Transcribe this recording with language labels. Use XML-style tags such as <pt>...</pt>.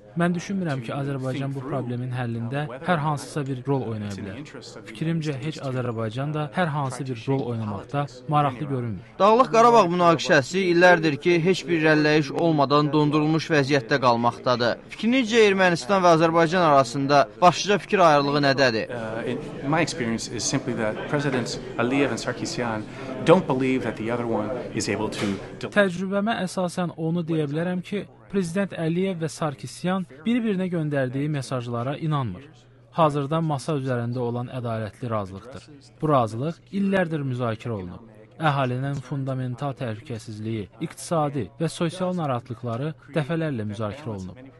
<az>Mən düşünmürəm ki, Azərbaycan bu problemin həllində hər hansısa bir rol oynaya bilər. Fikrimcə, heç Azərbaycan da hər hansı bir rol oynamaqda maraqlı görünmür. Dağlıq Qarabağ münaqişəsi illərdir ki, heç bir rəlləyiş olmadan dondurulmuş vəziyyətdə qalmaqdadır. Fikrinizcə, Ermənistan və Azərbaycan arasında başlıca fikir ayrılığı nədədir?</az> <en>My experience is simply that Presidents Aliyev and Sarkisyan don't believe that the other one is able to.</en> <az>Təcrübəmə əsasən onu deyə bilərəm ki, Prezident Əliyev və Sarkisyan bir-birinə göndərdiyi mesajlara inanmır. Hazırda masa üzərində olan ədalətli razılıqdır. Bu razılıq illərdir müzakirə olunub. Əhalinin fundamental təhlükəsizliyi, iqtisadi və sosial narahatlıqları dəfələrlə müzakirə olunub.</az>